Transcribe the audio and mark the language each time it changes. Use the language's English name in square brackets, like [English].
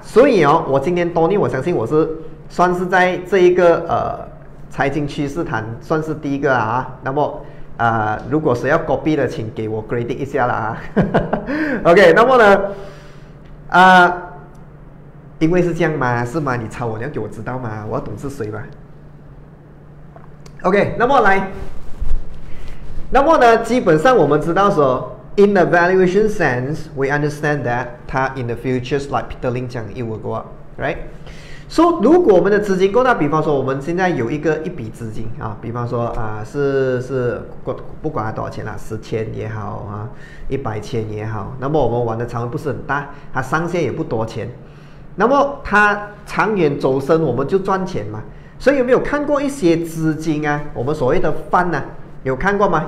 [Chinese] 所以哦，我今天 Tony， 我相信我是算是在这一个财经趋势谈算是第一个啊。那么如果谁要 copy 的，请给我 grade 一下啦啊。OK， 那么呢？因为是这样嘛，是吗？你抄我，你要给我知道嘛，我要懂是谁嘛。 OK， 那么呢？基本上我们知道说 [English] ，in the valuation sense， we understand that 它 in the futures like Peter Lin 讲 it will go up， right？ [Chinese] 所以如果我们的资金够大，比方说我们现在有一笔资金啊，比方说是不管它多少钱啦，10,000也好啊，100,000也好，那么我们玩的仓位不是很大，它上限也不多钱。那么它长远走深我们就赚钱嘛，所以有没有看过一些资金啊，我们所谓的 fund 啊，有看过吗？